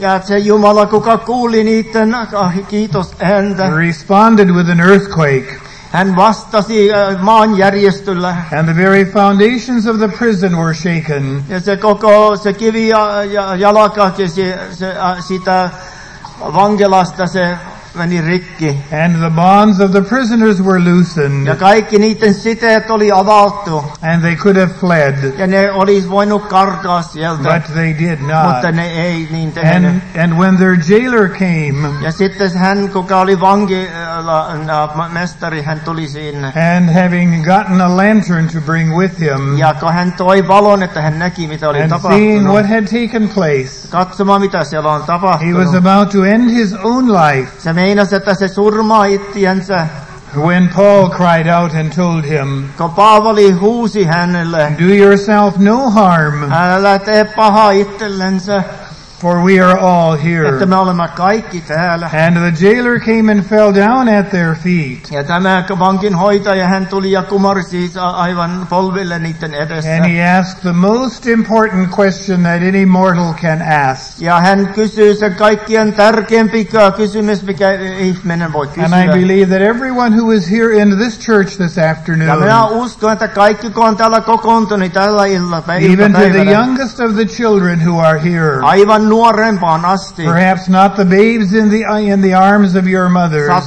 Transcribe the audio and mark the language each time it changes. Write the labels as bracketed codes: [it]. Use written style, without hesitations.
[fi] Ja se Jumala, kuka kuuli niitten, kiitos, and [en] responded with an earthquake. [fi] Hän vastasi maanjärjestöllä. [en] And the very foundations of the prison were shaken. [fi] Ja se koko se kivi jalaka sitä vankilasta se meni rikki. [en] And the bonds of the prisoners were loosened. [fi] Ja kaikki niiden siteet oli avattu. [en] And they could have fled. [fi] Ja ne olisi voinut karkaa sieltä. [en] But they did not. [fi] Mutta ne ei niin tehnyt. [en] And when their jailer came. [fi] Ja sitten hän, kuka oli vankimestari, hän tuli sinne. [en] And having gotten a lantern to bring with him. [fi] Ja kun hän toi valon, että hän näki, mitä oli [en] and [fi] tapahtunut. [en] And seeing what had taken place. [fi] Katsomaan, mitä siellä on tapahtunut. [en] He was about to end his own life. [fi] Se meinasi, että se surmaa itsensä. [en] When Paul cried out and told him, [fi] kun Paavali huusi hänelle, [en] do yourself no harm, [fi] älä tee paha itsellensä. [en] For we are all here. [fi] Että me olemme kaikki täällä. [en] And the jailer came and fell down at their feet. [fi] Ja tämä vankinhoitaja, hän tuli ja kumarsi aivan polville niiden edessä. [en] And he asked the most important question that any mortal can ask. [fi] Ja hän kysyi sen kaikkien tärkeimpi kysymys, mikä ihminen voi kysyä. [en] And I believe that everyone who is here in this church this afternoon. [fi] Ja minä uskon, että kaikki, kun on täällä kokoontunut tällä iltapäivänä. [en] Even to the youngest of the children who are here. Perhaps not the babes in the arms of your mother.